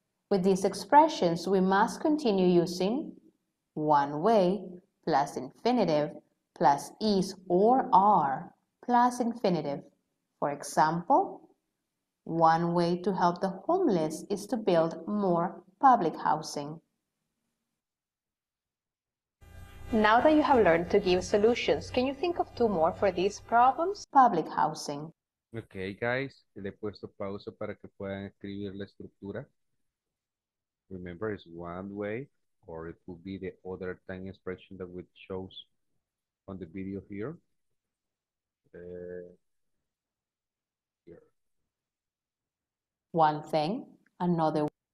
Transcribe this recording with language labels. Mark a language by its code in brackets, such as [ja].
[en] With these expressions, we must continue using one way plus infinitive plus is or are plus infinitive. For example, one way to help the homeless is to build more public housing. Now that you have learned to give solutions, can you think of two more for these problems? Public housing. [es] Okay, guys, le he puesto pausa para que puedan escribir la estructura. [en] Remember, it's one way, or it could be the other time expression that we chose on the video here. Here. One thing, another